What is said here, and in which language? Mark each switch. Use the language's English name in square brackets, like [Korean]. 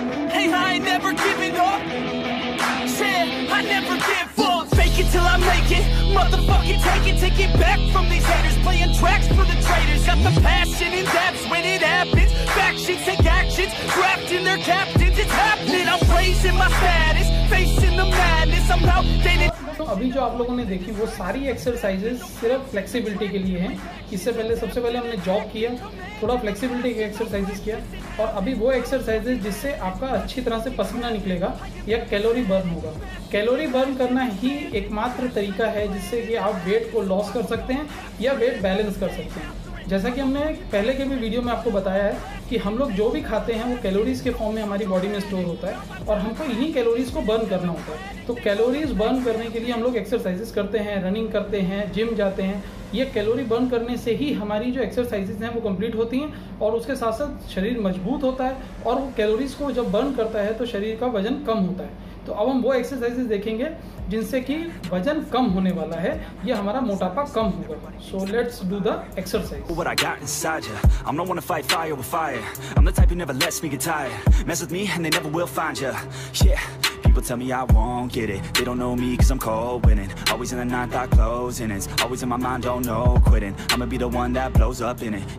[English] Hey, I ain't never giving up. Said I never give up. Fake it till I make it. Motherfucking take it back from these haters. Playing tracks for the traitors. Got the passion in depth when it happens. Factions take actions. Trapped in their captains. It's happening. I'm raising my status. Facing the madness. I'm outdated. [Hindi] अभी जो आप लोगों ने देखी वो सारी exercises सिर्फ flexibility के लिए हैं। इससे पहले सबसे पहले हमने जॉग किया, थोड़ा फ्लेक्सिबिलिटी के एक्सरसाइजेस किया, और अभी वो एक्सरसाइजेस जिससे आपका अच्छी तरह से पसीना निकलेगा या कैलोरी बर्न होगा। कैलोरी बर्न करना ही एकमात्र तरीका है जिससे कि आप वेट को लॉस कर सकते हैं या वेट बैलेंस कर सकते हैं। जैसा कि हमने पहले के भी वीडियो में आपको बताया है कि हम लोग जो भी खाते हैं वो कैलोरीज के फॉर्म में हमारी बॉडी में स्टोर होता है, और हमको इन्हीं कैलोरीज को बर्न करना होता है। तो कैलोरीज बर्न करने के लिए हम लोग एक्सरसाइजेस करते हैं, रनिंग करते हैं, जिम जाते हैं। ये कैलोरी बर्न करने से ही हमारी जो एक्सरसाइजेज हैं वो कम्प्लीट होती हैं, और उसके साथ साथ शरीर मजबूत होता है, और वो कैलोरीज को जब बर्न करता है तो शरीर का वजन कम होता है। तो अब हम वो एक्सरसाइजेस देखेंगे जिनसे कि वजन कम होने वाला है, ये हमारा मोटापा कम होगा। [English] So let's do the exercise. I'm not one to fight fire with fire. I'm the type who never lets me get tired. Mess with me and they never will find ya. Yeah. People tell me I won't get it. They don't know me cause I'm cold winning. Always in the ninth, I close innings. Always in my mind, don't know quitting. I'ma be the one that blows up in it.